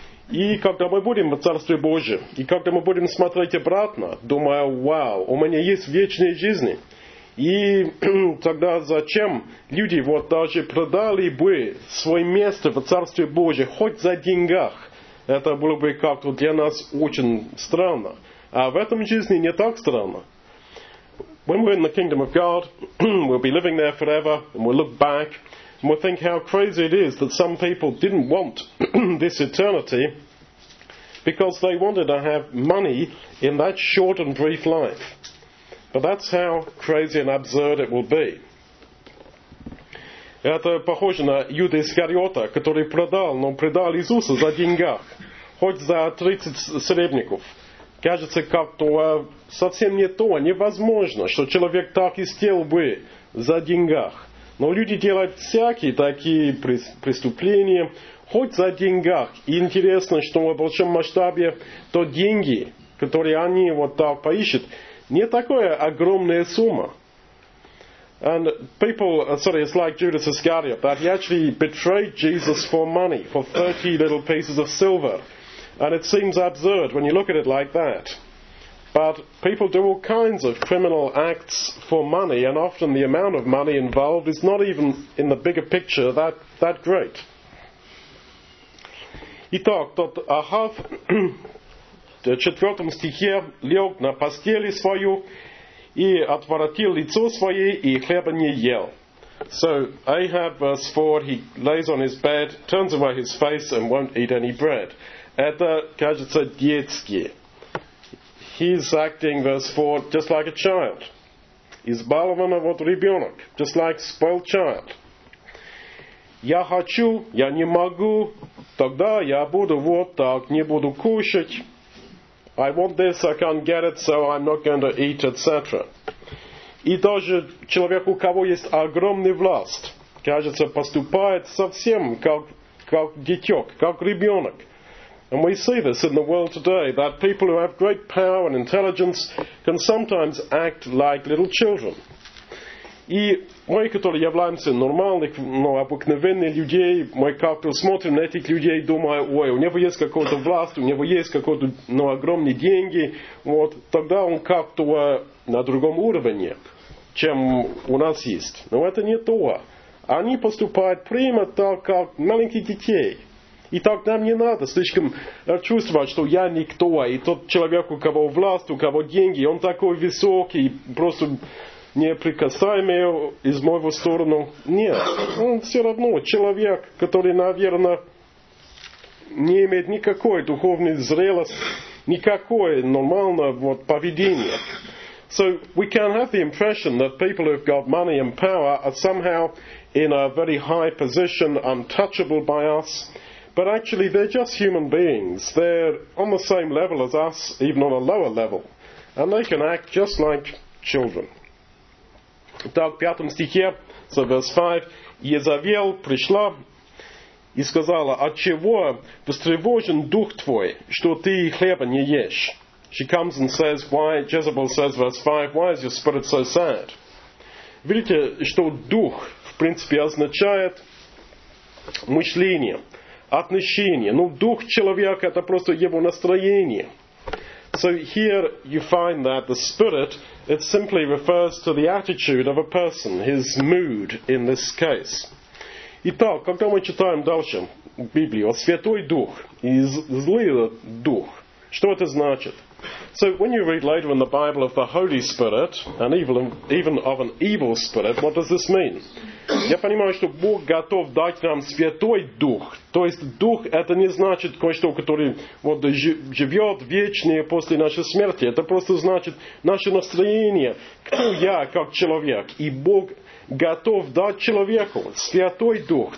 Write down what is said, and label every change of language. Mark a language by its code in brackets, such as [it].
[ru] И когда мы будем в Царстве Божьем, и когда мы будем смотреть обратно, думая, вау, у меня есть вечная жизнь, и тогда зачем люди даже продали бы свое место в Царстве Божьем, хоть за деньгах? Это было бы как-то для нас очень странно. А в этом жизни не так странно. [en] When we're in the kingdom of God, we'll be living there forever, and we'll look back, and we'll think how crazy it is that some people didn't want this eternity because they wanted to have money in that short and brief life. But that's how crazy and absurd it will be. [ru] Это похоже на Юда Искариота, который продал, но предал Иисуса за деньгах, хоть за 30 серебряников. Кажется, как-то совсем не то, невозможно, что человек так и сделал бы за деньгах. Но люди делают всякие такие преступления, хоть за деньгах. И интересно, что в большом масштабе то деньги, которые они так поищут, не такая огромная сумма. [en] And people, it's like Judas Iscariot, that he actually betrayed Jesus for money, for 30 little pieces of silver. And it seems absurd when you look at it like that. But people do all kinds of criminal acts for money, and often the amount of money involved is not even in the bigger picture that great. [ru] Итак, тот Ахав в четвертом стихе лег на постели свою и отворотил лицо свое и хлеба не ел. [en] So Ahab, verse 4, he lays on his bed, turns away his face and won't eat any bread. [ru] Это кажется детски. [en] He's acting, verse 4, just like a child. [ru] Избалованный ребенок, [en] just like spoiled child. [ru] Я хочу, я не могу, тогда я буду так, не буду кушать. [en] I want this, I can't get it, so I'm not going to eat, etc. [ru] И даже человек, у кого есть огромный власть, кажется, поступает совсем как дитёк, как ребёнок. [en] And we see this in the world today, that people who have great power and intelligence can sometimes act like little children. [ru] И мы, которые являемся нормальных, но обыкновенных людей, мы как-то смотрим на этих людей, думая, ой, у него есть какая-то власть, у него есть какие-то огромные деньги, вот, тогда он как-то на другом уровне, чем у нас есть. Но это не то. Они поступают прямо так, как маленькие детей. И так нам не надо слишком чувствовать, что я никто, и тот человек, у кого власть, у кого деньги, он такой высокий, просто неприкасаемый из моего стороны. Нет, он все равно человек, который, наверное, не имеет никакой духовной зрелости, никакой нормального поведения. [en] So we can have the impression that people who've got money and power are somehow in a very high position, untouchable by us. But actually, they're just human beings. They're on the same level as us, even on a lower level. And they can act just like children. [ru] Итак, в пятом стихе, [en] so verse 5, [ru] Иезавел пришла и сказала, «Отчего встревожен дух твой, что ты хлеба не ешь?» [en] She comes and says, "Why?" Jezebel says, verse 5, "Why is your spirit so sad?" [ru] Видите, что дух, в принципе, означает мышление. Отношение. Ну, дух человека это просто его настроение. [en] So here you find that the spirit, it simply refers to the attitude of a person, his mood in this case. [ru] Итак, когда мы читаем дальше Библию о Святой Дух и злый дух, что это значит? [en] So when you read later in the Bible of the Holy Spirit, and even of an evil spirit, what does this mean? [ru] Я понимаю, что Бог готов дать нам Святой Дух. То есть Дух – это не значит кое-что, которое живет вечное после нашей смерти. Это просто значит наше настроение. Кто я как человек? И Бог готов дать человеку Святой Дух.